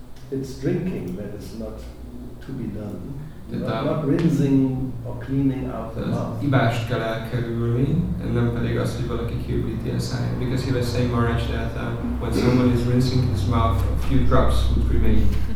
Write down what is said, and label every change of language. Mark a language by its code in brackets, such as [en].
[en] It's drinking that is not to be done. Not rinsing or cleaning out the mouth. [hu] Ibást kell elkerülni, and nem pedig azt, hogy valaki kiöblíti a száját. [en] Because he was saying, Maharaj, that when someone is rinsing his mouth, a few drops would remain.